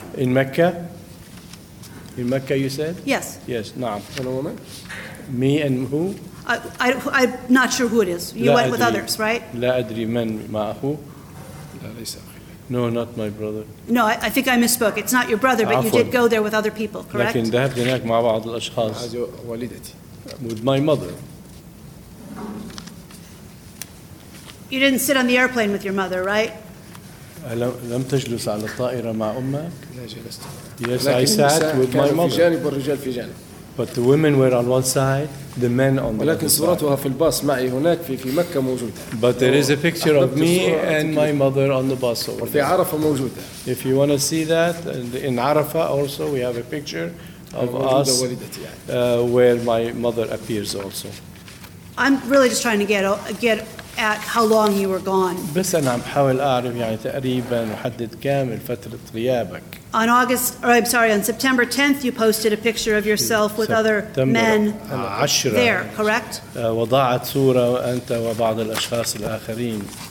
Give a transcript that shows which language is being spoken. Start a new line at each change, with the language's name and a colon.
English: In Mecca. In Mecca, you said? Yes. Yes,
Arabic: نعم.
English: And a woman? Me and who? I'm not sure who it is. You went with others, right?
Arabic: لا أدري من معه. لا ليس أخي.
English: No, not my brother. No, I think I misspoke. It's not your brother, but you did go there with other people, correct?
Arabic: لكن ذهبت هناك مع بعض الأشخاص. والدتي.
English: With my mother. You didn't sit on the airplane with your mother, right?
Arabic: لم تجلس على الطائرة مع أمك؟ لا جلست.
English: Yes, I sat with my mother.
Arabic: كان في جانب والرجال في جانب.
English: But the women were on one side, the men on the
Arabic: ولكن صورتها في الباص معي هناك في مكة موجودة.
English: But there is a picture of me and my mother on the bus.
Arabic: وفي عرفة موجودة.
English: If you want to see that, in Arafa also we have a picture of us where my mother appears also. I'm really just trying to get at how long you were gone.
Arabic: بس أنا عم بحاول أعرف يعني تقريباً وحدد كامل فترة غيابك.
English: On August, or I'm sorry, on September 10th, you posted a picture of yourself with other men there. Correct.
Arabic: وضعت صورة أنت وبعض الأشخاص الآخرين.